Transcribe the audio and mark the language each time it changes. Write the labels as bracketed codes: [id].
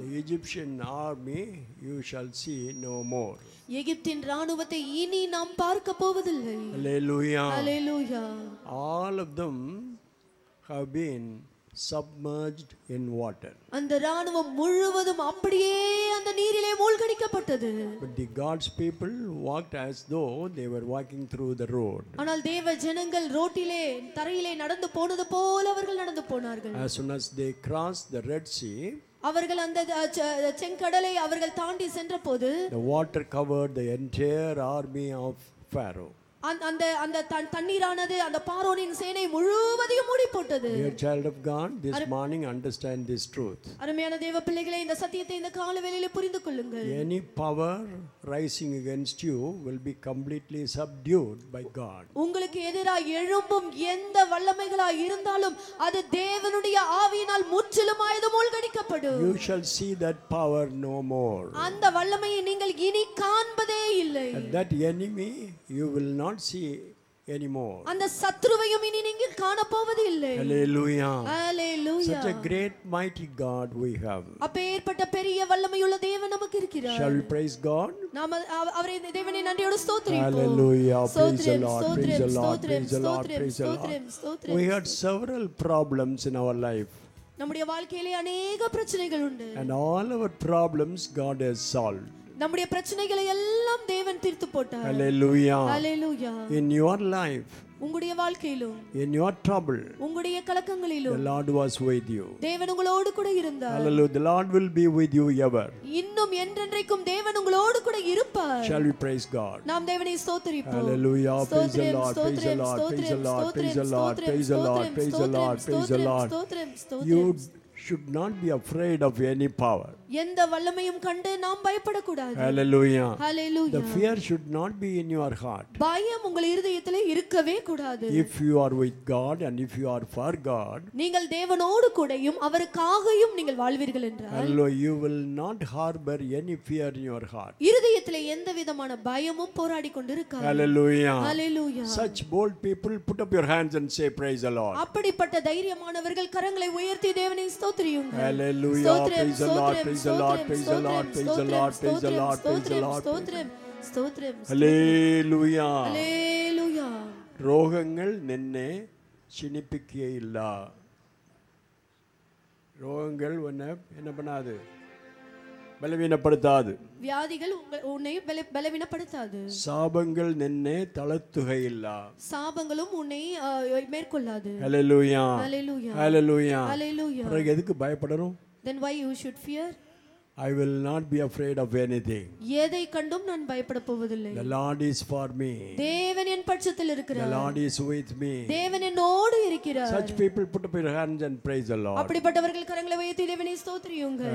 [en] Egyptian army you shall see no more. [ta] எகிப்தின் ராணுவத்தை இனி நாம் பார்க்க போவதில்லை. [en] Hallelujah. Hallelujah. All of them have been submerged in water. [ta] அந்த ராணுவம் முழுவதும் அப்படியே அந்த நீரிலே மூழ்கடிக்கப்பட்டது. [en] But the God's people walked as though they were walking through the road. [ta] ஆனால் தேவ ஜனங்கள் ரோட்டிலே தரையிலே நடந்து போனது போல அவர்கள் நடந்து போனார்கள். [en] As soon as they crossed the Red Sea, [ta] அவர்கள் அந்த செங்கடலை அவர்கள் தாண்டி சென்ற போது, [en] the water covered the entire army of Pharaoh. [ta] அந்த அந்த தண்ணீரானது அந்த பார்வோனின் சேனை முழுவதையும் மூடி போட்டது. [en] Dear child of God, this morning understand this truth. [ta] அருமையான தேவ பிள்ளைகளே, இந்த சத்தியத்தை இந்த காலவேளையில் புரிந்து கொள்ளுங்கள். [en] Any power rising against you will be completely subdued by God. [ta] உங்களுக்கு எதிராக எழும்பும் எந்த வல்லமைகளாய் இருந்தாலும் அது தேவனுடைய ஆவியினால் முற்றிலுமாய் மூழ்கடிக்கப்படும். [en] You shall see that power no more. [ta] அந்த வல்லமையை நீங்கள் இனி காண்பதே இல்லை. [en] And that enemy you will not see anymore. [ta] அந்த சத்ருவையும் இனி நீங்கள் காண போவது இல்லை. [en] Hallelujah. Hallelujah. Such a great mighty God we have. [ta] அப்பேற்பட்ட பெரிய வல்லமையுள்ள தேவன் நமக்கு இருக்கிறார். [en] Shall we praise God? [ta] நாம் அவரே தேவனை நன்றியோடு ஸ்தோத்ரிப்போம். [en] Hallelujah. Praise the Lord. Praise the Lord. Praise the Lord. Praise the Lord. We had several problems in our life. [ta] நம்முடைய வாழ்க்கையிலே अनेक பிரச்சனைகள் உண்டு. [en] And all our problems God has solved. [ta] நம்முடைய பிரச்சனைகளை எல்லாம் தேவன் தீர்த்து போட்டார். [en] Hallelujah. Hallelujah. In your life, [ta] உங்களுடைய வாழ்க்கையிலும், [en] in your trouble, [ta] உங்களுடைய கலக்கங்களிலும், [en] the Lord was with you. [ta] தேவன் உங்களோடு கூட இருந்தார். [en] Hallelujah. The Lord will be with you ever. [ta] இன்னும் என்றென்றைக்கும் தேவன் உங்களோடு கூட இருப்பார். [en] Shall we praise God? [ta] நாம் தேவனை ஸ்தோத்தரிப்போம். [en] Hallelujah. Praise the Lord. Praise the Lord. Praise the Lord. Praise the Lord. Praise the Lord. Praise the Lord. Praise the Lord. You should not be afraid of any power. [ta] எந்த வல்லமையும் கண்டு நாம் பயப்படக்கூடாது. [en] Hallelujah. Hallelujah. The fear should not be in your heart. [ta] பயம் உங்கள் இதயத்திலே இருக்கவே கூடாது. [en] If you are with God and if you are for God, [ta] நீங்கள் தேவனோடு கூடயும் அவருக்காகவும் நீங்கள் வாழ்வீர்கள் என்றால், [en] Hallelujah. You will not harbor any fear in your heart. [ta] இதயத்திலே எந்த விதமான பயமும் போராடிக் கொண்டிருக்காது. [en] Hallelujah. Hallelujah. Such bold people, put up your hands and say praise the Lord. [ta] அப்படிப்பட்ட தைரியமானவர்கள் கரங்களை உயர்த்தி தேவனை ஸ்தோத்திரியுங்கள். [en] Hallelujah. Praise the Lord. Praise the Lord, praise the Lord, praise the Lord, praise the Lord, praise the Lord. Hallelujah. [ml] ரோகங்கள் நின்னே சினிப்பிக்கே இல்ல. [ta] ரோகங்கள் என்ன பண்ணாது, பலவீனப்படுத்தாது. வியாதிகள் உன்னை பலவீனப்படுத்தாது. [ml] சாபங்கள் நின்னே தளத்துகை இல்ல. [ta] சாபங்களும் உன்னை மேற்கொள்ளாது. [en] Hallelujah. Hallelujah. [ta] Hallelujah. எதுக்கு பயப்படணும்? [en] Then why you should fear? I will not be afraid of anything. [ta] ஏதை கண்டும் நான் பயப்படப்போவதில்லை. [en] The Lord is for me. [ta] தேவன் என் பட்சத்தில் இருக்கிறார். [en] The Lord is with me. [ta] தேவன் என்னோடு இருக்கிறார். [en] Such people put up your hands and praise the Lord. [ta] அப்படிப்பட்டவர்கள் கரங்களை உயர்த்தி தேவனை ஸ்தோத்திரியுங்கள்.